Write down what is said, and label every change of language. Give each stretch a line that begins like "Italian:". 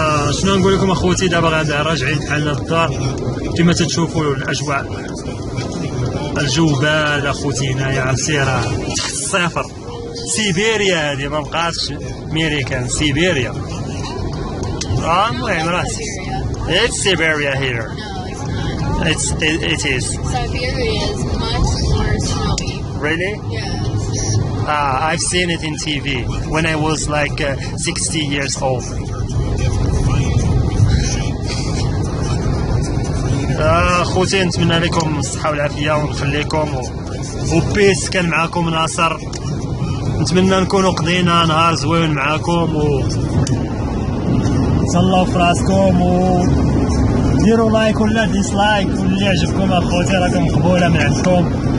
Arabic: شنو نقول لكم اخوتي دابا غادا راجعين بحالنا للدار كما تتشوفوا الاجواء الجو باد اخوتي هنايا سيرة تحت الصفر سيبيريا هذه ما بقاتش ميريكان سيبيريا المهم راسي
English: It's Siberia here. It is. Siberia is much more snowy. Really? Yeah. I've seen it in TV when I was like 60 years old.
Arabic: خوتي نتمنى لكم الصحة والعافية ونخليكم وبيس كان معاكم ناصر نتمنى نكونوا قضينا نهار زوين معاكم و تهلاو في راسكم و ديروا لايك ولا ديسلايك واللي يعجبكم اخوتي راكم مقبوله من عندكم